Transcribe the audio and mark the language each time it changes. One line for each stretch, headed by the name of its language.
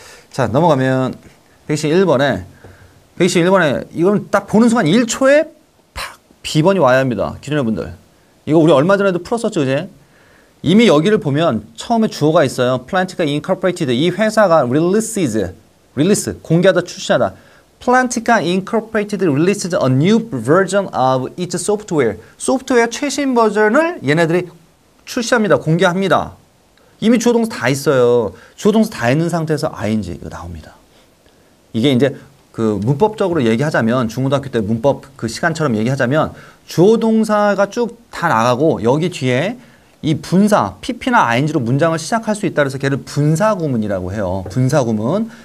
Korean: 자 넘어가면 121번에 이건 딱 보는 순간 1초에 팍 B번이 와야 합니다. 기존의 분들 이거 우리 얼마 전에도 풀었었죠 그지? 이미 여기를 보면 처음에 주어가 있어요. Plantica Incorporated. 이 회사가 releases, release, 공개하다, 출시하다.
English: Plantica Incorporated releases a new version of its software.
Korean: 소프트웨어 최신 버전을 얘네들이 출시합니다. 공개합니다. 이미 주어동사 다 있어요. 주어동사 다 있는 상태에서 ing 이거 나옵니다. 이게 이제 문법적으로 얘기하자면 중고등학교 때 문법 시간처럼 얘기하자면 주어동사가 쭉 다 나가고 여기 뒤에 이 분사, PP나 ING로 문장을 시작할 수 있다 그래서 걔를 분사구문이라고 해요. 분사구문.